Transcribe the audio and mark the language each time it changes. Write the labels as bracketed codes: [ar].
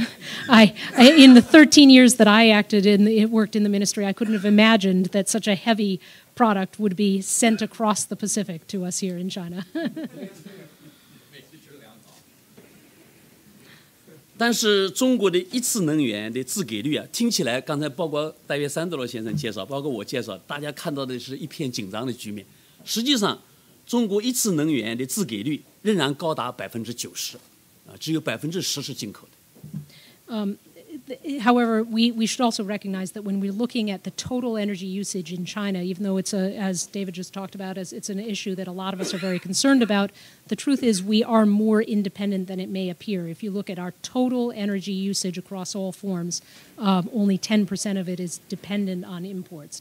[en] the 13 years that I acted in, it worked in the ministry, I couldn't have imagined that such a heavy product would be sent across the Pacific to us here in China. [zh] 但是中国的一次能源的自给率啊，听起来刚才包括戴维·三德罗先生介绍，包括我介绍，大家看到的是一片紧张的局面，实际上。中国一次能源的自给率仍然高达90%，只有10%是进口的。 [en] However, we should also recognize that when we're looking at the total energy usage in China, even though it's, as David just talked about, it's an issue that a lot of us are very concerned about, the truth is we are more independent than it may appear. If you look at our total energy usage across all forms, only 10% of it is dependent on imports.